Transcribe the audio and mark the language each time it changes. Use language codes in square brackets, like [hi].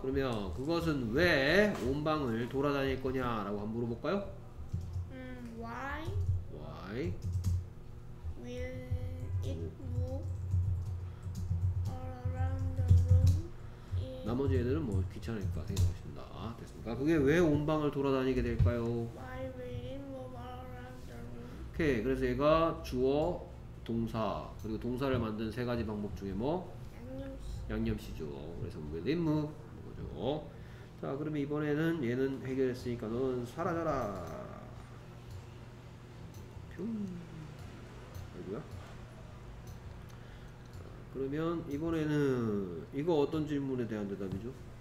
[ko] 그러면 그것은 왜 온 방을 돌아다닐 거냐라고 한번 물어볼까요? [en] Why? Why? Will it move all around the room? [ko] 나머지 애들은 뭐 귀찮을까 생각하신다. 됐습니까? 그게 왜 온 방을 돌아다니게 될까요? [en] Why will it move all around the room? [ko] 오케이. 그래서 얘가 주어, 동사, 그리고 동사를 만든 세 가지 방법 중에 뭐? 양념시죠. 그래서 [en] will it move? [ko] 뭐죠? 자, 그러면 이번에는 얘는 해결했으니까 너는 사라져라. 퓨운. 아이고야. 자, 그러면 이번에는 이거 어떤 질문에 대한 대답이죠?